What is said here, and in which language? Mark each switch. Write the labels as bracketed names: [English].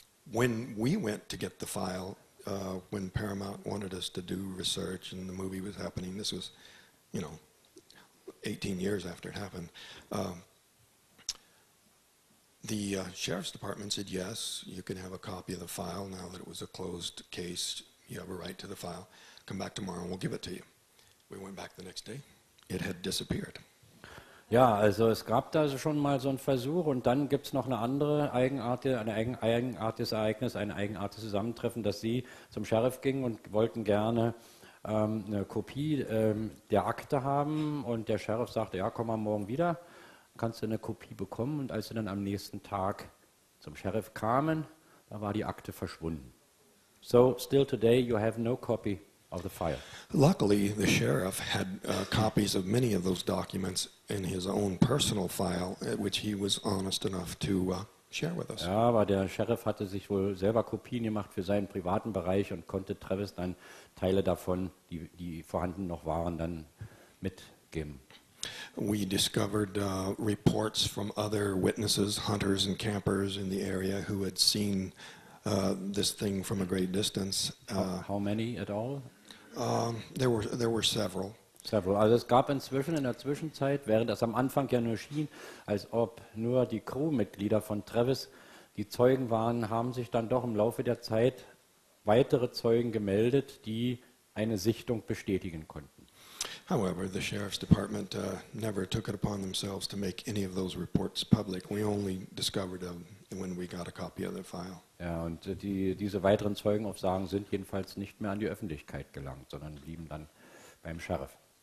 [English] When we went to get the file, when Paramount wanted us to do research and the movie was happening, this was, you know, 18 years after it happened, the sheriff's department said, yes, you can have a copy of the file now that it was a closed case, you have a right to the file, come back tomorrow and we'll give it to you. We went back the next day. It had disappeared. [German] Ja, also es gab da also schon mal so einen Versuch und dann gibt es noch eine andere eigenartiges Ereignis, ein eigenartiges Zusammentreffen, dass Sie zum Sheriff gingen und wollten gerne eine Kopie der Akte haben und der Sheriff sagte, ja, komm mal morgen wieder, kannst du eine Kopie bekommen und als Sie dann am nächsten Tag zum Sheriff kamen, da war die Akte verschwunden. [English] So, still today you have no copy. Of the file. Luckily, the sheriff had copies of many of those documents in his own personal file, which he was honest enough to share with us. [German] Ja, aber der Sheriff hatte sich wohl selber Kopien gemacht für seinen privaten Bereich und konnte Travis dann Teile davon, die vorhanden noch waren, dann mitgeben. [English] We discovered reports from other witnesses, hunters and campers in the area who had seen this thing from a great distance. How many at all? There were several. Several. [German] Also es gab inzwischen, in der Zwischenzeit, während es am Anfang ja nur schien, als ob nur die Crewmitglieder von Travis die Zeugen waren, haben sich dann doch im Laufe der Zeit weitere Zeugen gemeldet, die eine Sichtung bestätigen konnten. [English] However, the Sheriff's Department never took it upon themselves to make any of those reports public. We only discovered them when we got a copy of the file. [German] Ja, und diese weiteren Zeugenaussagen sind jedenfalls nicht mehr an die Öffentlichkeit gelangt, sondern blieben dann beim Sheriff.